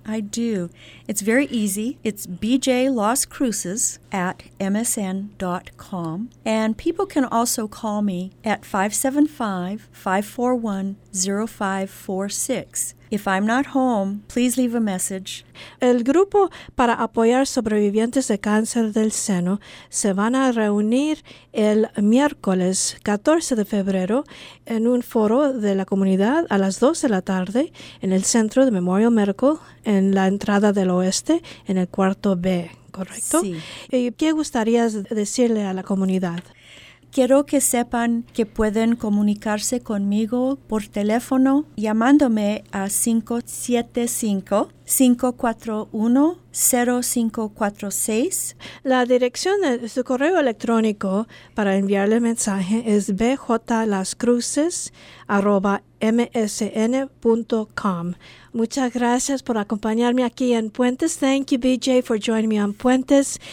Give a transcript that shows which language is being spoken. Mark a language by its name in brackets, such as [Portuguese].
[English] I do. It's very easy. It's bjlascruces@msn.com. And people can also call me at 575-541-0546 If I'm not home, please leave a message. [Spanish] El grupo para apoyar sobrevivientes de cáncer del seno se van a reunir el miércoles 14 de febrero en un foro de la comunidad a las 2 de la tarde en el centro de Memorial Medical en la entrada del oeste en el cuarto B, ¿correcto? Sí. ¿Y qué gustarías decirle a la comunidad? Quiero que sepan que pueden comunicarse conmigo por teléfono llamándome a 575-541-0546. La dirección de su correo electrónico para enviarle mensaje es bjlascruces@msn.com. Muchas gracias por acompañarme aquí en Puentes. [English] Thank you, BJ, for joining me on Puentes.